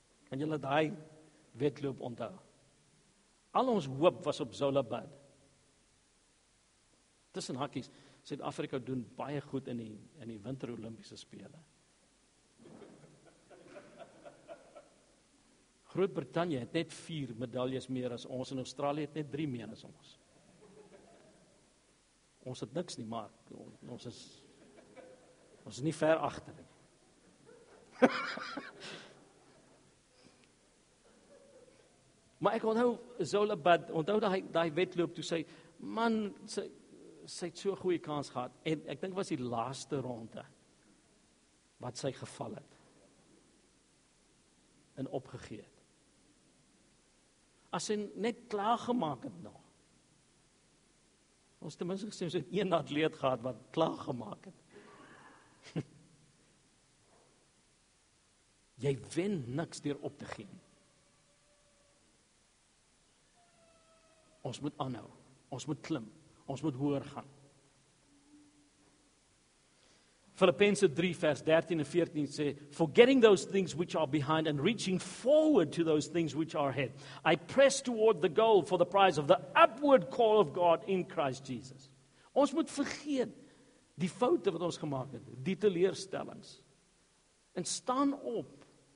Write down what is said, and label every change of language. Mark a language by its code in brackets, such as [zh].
[af] Kan julle daai wedloop onthou? Al ons hoop was op Zola Bud. Tussen hakkies, Suid-Afrika doen baie goed in die Winter Olimpiese Spele. Groot-Brittanje het net 4 medaljes meer as ons, en Australië het net 3 meer as ons. Ons het niks nie, maar ons is nie ver agter nie. Maar ek onthou Zola Bud, onthou daai wedloop toe sy, man, sy het so 'n goeie kans gehad, en ek dink was die laaste ronde wat sy geval het en opgegee het. As hy net klaargemaak het nog. Ons ten minste gesê, ons het een atleet gehad wat klaargemaak het. Jy wen niks deur op te gee. Ons moet aanhou. Ons moet klim. Ons moet hoër gaan. Filippense 3 vers 13 en 14 sê, [en] forgetting those things which are behind and reaching forward to those things which are ahead, I press toward the goal for the prize of the upward call of God in Christ Jesus. [af] Ons moet vergeet die foute wat ons gemaak het, die teleurstellings, en staan op.